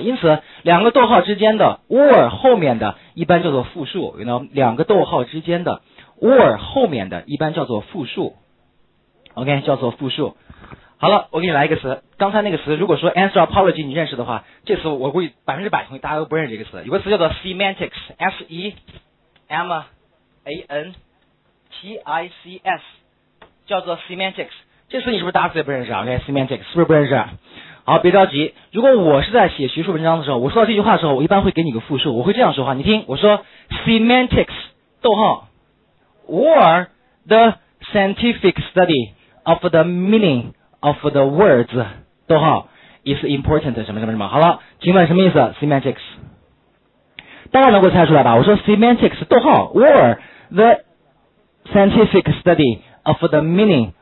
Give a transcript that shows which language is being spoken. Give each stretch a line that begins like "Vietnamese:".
Chinese: 因此，两个逗号之间的 or 后面的一般叫做复数，有没有？两个逗号之间的 or 后面的一般叫做复数 ，OK， 叫做复数。好了，我给你来一个词，刚才那个词，如果说 answer apology 你认识的话，这词我估计百分之百同意大家都不认识这个词。有个词叫做 semantics，S E M A N T I C S， 叫做 semantics。这次你是不是大家也不认识啊 ？OK， semantics 是不是不认识？好，别着急。如果我是在写学术文章的时候，我说到这句话的时候，我一般会给你个复述，我会这样说话。你听，我说 semantics， 逗号 ，
English: or the scientific study of the meaning of the words，
Chinese: 逗号 ，
English: is important
Chinese: 什么什么什么。好了，请问什么意思 ？semantics， 大家能够猜出来吧？我说 semantics， 逗号 ，
English: or the scientific study of the meaning。